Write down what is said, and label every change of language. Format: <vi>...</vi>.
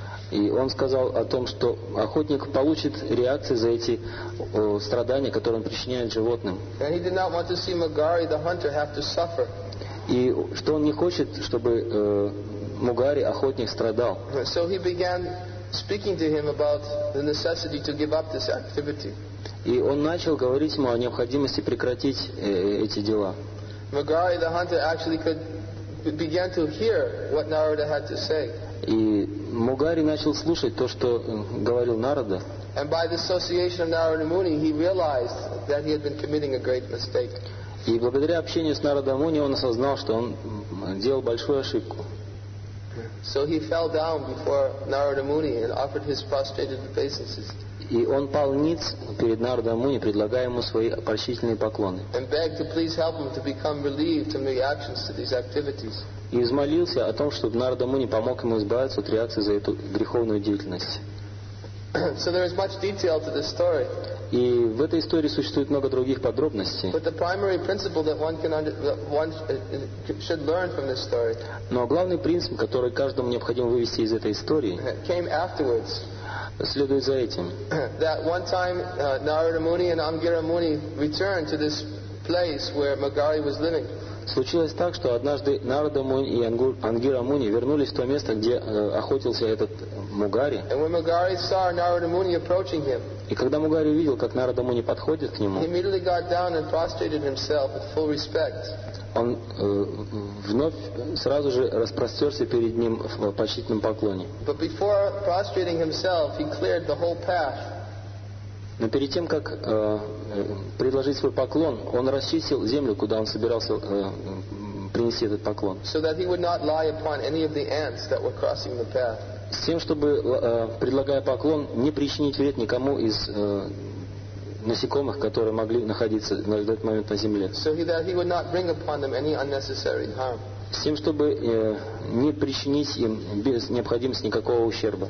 <ru>И он сказал о том, что охотник получит реакции за эти страдания, которые он причиняет животным.</ru> <en>And he did not want to see Mugari, the hunter, have to suffer.</en> <ru>И что он не хочет, чтобы Мугари, охотник, страдал.</ru> <en>So he began speaking to him about the necessity to give up this activity.</en> <ru>И он начал говорить ему о необходимости прекратить эти дела.</ru> <en>Mugari, the hunter, actually began to hear what Narada had to say.</en> <ru>И Мугари начал слушать то, что говорил Нарада.</ru> <en>And by the association of Narada Muni, he realized that he had been committing a great mistake.</en> <ru>И благодаря общению с Нарада Муни, он осознал, что он делал большую ошибку.</ru> <en>So he fell down before Narada Muni and offered his prostrated obeisances.</en> <ru>И он пал ниц перед Нарада Муни, предлагая ему свои почтительные поклоны.</ru> <en>And begged to please help him to become relieved from the actions to these activities.</en> <ru>И измолился о том, чтобы Нарада Муни помог ему избавиться от реакции за эту греховную деятельность.</ru> <en>So there is much detail to this story.</en> <ru>И в этой истории существует много других подробностей.</ru> <en>But the primary principle that one can one should learn from this story.</en> <ru>Но главный принцип, который каждому необходимо вывести из этой истории,</ru> <en>came afterwards.</en> <ru>Следует за этим.</ru> <en>That one time Narada Muni and Angira Muni returned to this place where Mugari was living.</en> <ru>Случилось так, что однажды Нарада Муни и Ангира Муни вернулись в то место, где охотился этот Мугари.</ru> <en>And when Mugari saw Narada Muni approaching him,</en> <ru>и когда Мугари увидел, как Нарада Муни подходит к нему,</ru> <en>he immediately got down and prostrated himself with full respect.</en> <ru>Он вновь сразу же распростерся перед ним в почтительном поклоне.</ru> <en>But before prostrating himself, he cleared the whole path.</en> <ru>Но перед тем, как предложить свой поклон, он расчистил землю, куда он собирался принести этот поклон.</ru> <en>So that he would not lie upon any of the ants that were crossing the path.</en> <ru>С тем, чтобы, предлагая поклон, не причинить вред никому из насекомых, которые могли находиться на этот момент на земле.</ru> <en>So that he would not bring upon them any unnecessary harm.</en> <ru>с тем, чтобы не причинить им без необходимости никакого ущерба.</ru>